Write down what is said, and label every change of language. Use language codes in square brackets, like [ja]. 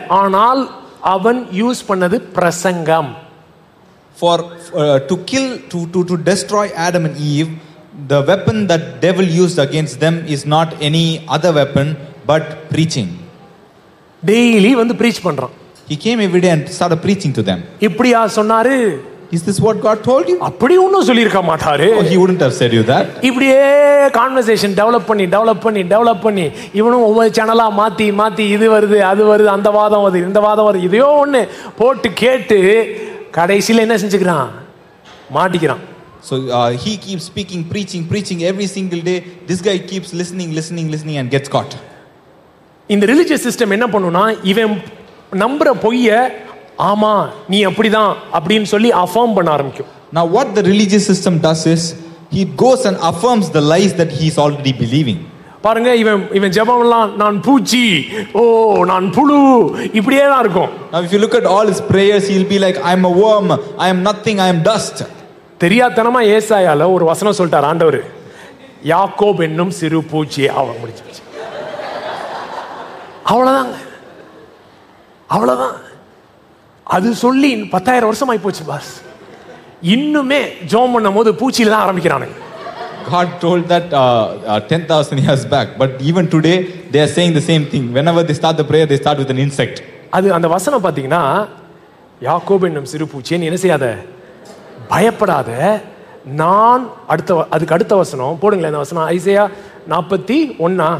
[ta] ஆனால் அவன் யூஸ் பண்ணது பிரசங்கம். [en] For to kill, to destroy Adam and Eve, the weapon that devil used against them is not any other weapon but preaching. [ta] Daily வந்து breach பண்றான். [en] He came every day and started preaching to them. [ta] இப்படியா சொன்னாரு? [en] Is this what God told you? [ta] அப்படி ஒன்னு சொல்லிருக்க மாட்டாரு. [en] Oh, he wouldn't have said you that. [ta] இப்படியே conversation develop பண்ணி இவனும் ஒவ்வொரு சேனலா மாத்தி இது வருது அது வருது, அந்த வாதம் வருது இந்த வாதம் வருது, இதையோ ஒண்ணு போட்டு கேட்டு கடைசியில என்ன செஞ்சுக்கிறான்? மாட்டிக்கிறான். [en] So he keeps speaking, preaching every single day. This guy keeps listening and gets caught. [ta] இந்த ரிலிஜியஸ் சிஸ்டம் என்ன பண்ணுனா, இவன் நம்புற பொய்ய ஆமா நீ அப்படிதான் அப்படின்னு சொல்லி அஃபார்ம் பண்ண ஆரம்பிக்கும். [en] Now what the religious system does is he goes and affirms the lies that he is already believing. [ta] பாருங்க, இவன் ஜெபம்லாம் நான் பூச்சி, ஓ நான் புழு, இப்படியே தான் இருக்கும். [en] Now if you look at all his prayers, he'll be like, I'm a worm, I'm nothing, I'm dust. [ta] தெரியாதனமா ஏசாயால ஒரு வசனம் சொல்லிட்டார் ஆண்டவர், யாக்கோப் என்னும் சிறு பூச்சி அவன் முடிச்சு. அவ்வளவுதான் அது சொல்லி 10,000 வருஷம் ஆயி போச்சு பாஸ், இன்னுமே ஜோம் பண்ணும் போது பூச்சியில தான் ஆரம்பிக்கிறானு. [en] God told that 10,000 years back, but even today they are saying the same thing. Whenever they start the prayer, they start with an insect. [ta] அது அந்த வசனம் பார்த்தீங்கன்னா, யாக்கோபு என்னும் சிறுபூச்சி என்ன செய்யாத, பயப்படாத, நான் அடுத்த, அதுக்கு அடுத்த வசனம் போடுங்களேன் அந்த வசனம், ஐசையா 41